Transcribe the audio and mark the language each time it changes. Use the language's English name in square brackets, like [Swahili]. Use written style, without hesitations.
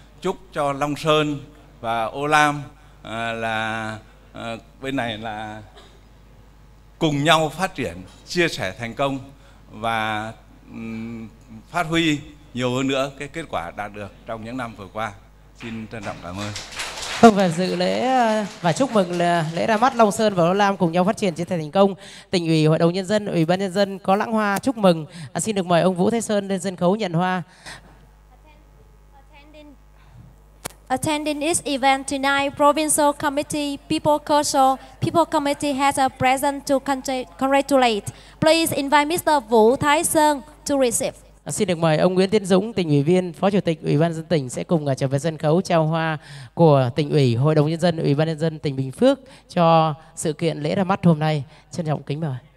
[Vietnamese] Chúc cho Long Sơn và Ô Lam là bên này là cùng nhau phát triển, chia sẻ thành công và phát huy nhiều hơn nữa cái kết quả đạt được trong những năm vừa qua. Xin trân trọng cảm ơn. Vâng, và dự lễ và chúc mừng lễ ra mắt Long Sơn và Ô Lam cùng nhau phát triển, chia sẻ thành công, Tỉnh ủy, Hội đồng Nhân dân, Ủy ban Nhân dân có lãng hoa chúc mừng. Xin được mời ông Vũ Thái Sơn lên sân khấu nhận hoa. [English] Attending this event tonight, Provincial Committee, People Council, People Committee has a present to congratulate. Please invite Mr. Vũ Thái Sơn to receive. [Vietnamese] Xin được mời ông Nguyễn Tiến Dũng, Tỉnh ủy viên, Phó Chủ tịch Ủy ban nhân dân tỉnh sẽ cùng trở về sân khấu trao hoa của Tỉnh ủy, Hội đồng Nhân dân, Ủy ban Nhân dân tỉnh Bình Phước cho sự kiện lễ ra mắt hôm nay. Trân trọng kính mời.